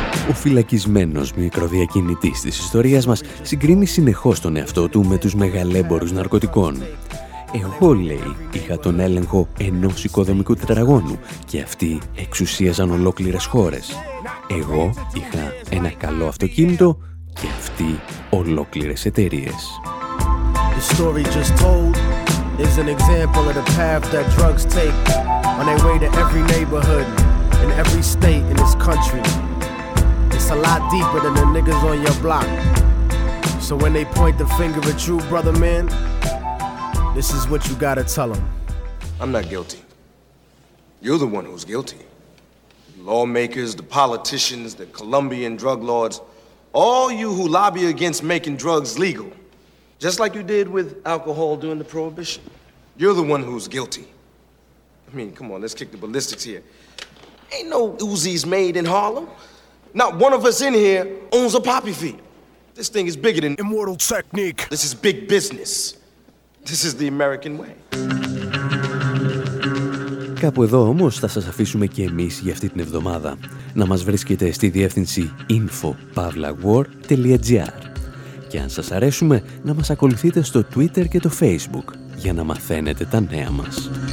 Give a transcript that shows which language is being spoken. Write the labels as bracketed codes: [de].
[el] Ο φυλακισμένος μικροδιακινητής της ιστορίας μας συγκρίνει συνεχώς τον εαυτό του με τους μεγαλέμπορους ναρκωτικών. Εγώ, λέει, είχα τον έλεγχο ενός οικοδομικού τετραγώνου και αυτοί εξουσίαζαν ολόκληρες χώρες. Εγώ είχα ένα καλό αυτοκίνητο και αυτοί ολόκληρες εταιρείες. [en] The story just told is an example of the path that drugs take on their way to every neighborhood and every state in this country. It's a lot deeper than the niggas on your block. So when they point the finger at you, brother man, this is what you gotta tell them. I'm not guilty. You're the one who's guilty. The lawmakers, the politicians, the Colombian drug lords, all you who lobby against making drugs legal, just like you did with alcohol during the prohibition. You're the one who's guilty. I mean, come on, let's kick the ballistics here. Ain't no Uzis made in Harlem. Not one of us in here owns a poppy field. This thing is bigger than Immortal Technique. This is big business. This is the American way. [el] Κάπου εδώ όμως θα σας αφήσουμε και εμείς για αυτή την εβδομάδα. Να μας βρίσκετε στη διεύθυνση info.pavlawar.gr. Και αν σας αρέσουμε, να μας ακολουθείτε στο Twitter και το Facebook για να μαθαίνετε τα νέα μας.